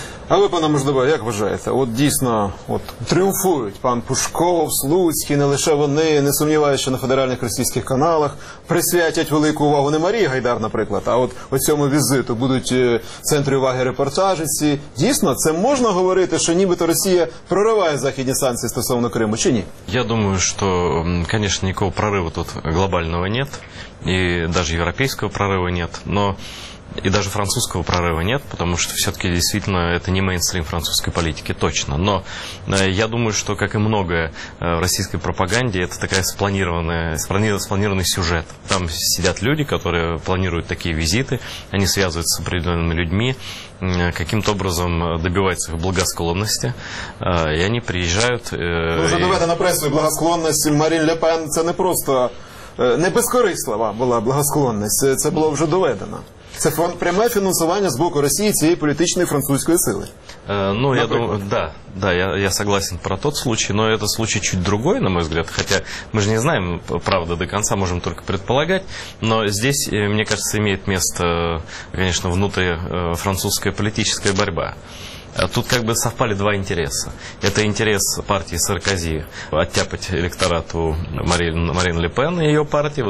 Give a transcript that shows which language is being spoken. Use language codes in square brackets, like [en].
[uk] А ви, пане Можливо, як вважаєте, от дійсно от тріумфують пан Пушков, Слуцький, не лише вони, не сумніваюся, що на федеральних російських каналах присвятять велику увагу не Марії Гайдар, наприклад, а от у цьому візиту будуть центри уваги репортажі ці. Дійсно, це можна говорити, що нібито Росія прориває західні санкції стосовно Криму, чи ні? Я думаю, що, звісно, ніякого прориву тут глобального [ru] нет, [uk] і навіть європейського прориву нет, но... [ru] И даже французского прорыва нет, потому что все-таки действительно это не мейнстрим французской политики, точно. Но я думаю, что, как и многое в российской пропаганде, это такая спланированный сюжет. Там сидят люди, которые планируют такие визиты, они связываются с определенными людьми, каким-то образом добиваются их благосклонности, и они приезжают... Уже доведено на прессу благосклонность Марин Ле Пен, это не просто... [uk] Не безкорислива була благосклонність, це було вже доведено. Це пряме фінансування з боку Росії цієї політичної французької сили. Ну, наприклад. [ru] Я согласен про тот случай, но это случай чуть другой, на мой взгляд, хотя мы же не знаем правды до конца, можем только предполагать, но здесь, мне кажется, имеет место, конечно, внутрифранцузская политическая борьба. Тут как бы совпали два интереса. Это интерес партии Саркози оттяпать электорат у Марин Ле Пен и ее партии.